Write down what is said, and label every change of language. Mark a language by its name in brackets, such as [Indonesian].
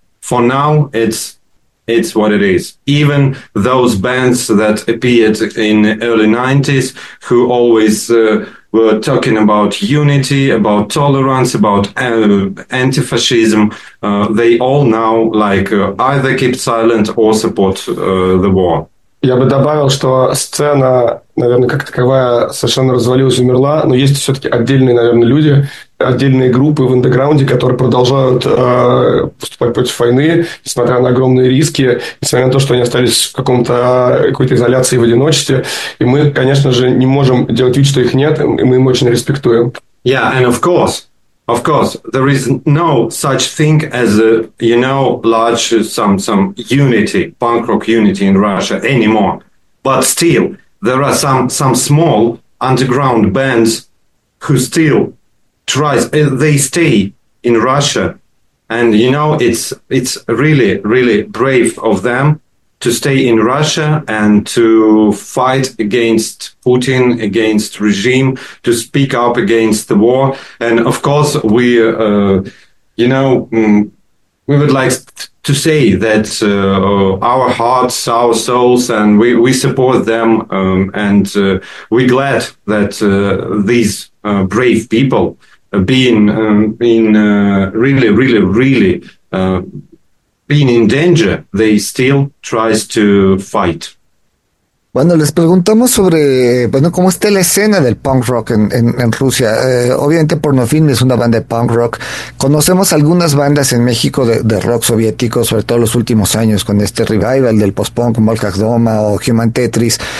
[English] For now, it's what it is. Even those bands that appeared in the early 90s, who always were talking about unity, about tolerance, about anti-fascism, they all now like either keep silent or support the war. [Russian] Я бы добавил, что сцена, наверное, как таковая, совершенно развалилась, умерла, но есть все-таки отдельные, наверное, люди, отдельные группы в андеграунде, которые продолжают выступать против войны, несмотря на огромные риски, несмотря на то, что они остались в каком-то какой-то изоляции, в одиночестве. И мы, конечно же, не можем делать вид, что их нет, и мы им очень респектуем. [English] Yeah, and of course, there is no such thing as a, you know, large some unity, punk rock unity in Russia anymore. But still, there are some small underground bands who still tries. They stay in Russia, and you know, it's really, really brave of them to stay in Russia and to fight against Putin, against regime, to speak up against the war. And of course, we, you know, we would like to say that our hearts, our souls, and we support them, and we're glad that these brave people being in really, really, really being in danger, they still tries to fight. [Spanish] Bueno, les preguntamos sobre, bueno, cómo está la escena del punk rock en Rusia. Obviamente Pornofilm es una banda de punk rock. Conocemos algunas bandas en México de rock soviético, sobre todo en los últimos años, con este revival del post-punk, Molkach Doma o Human Tetris.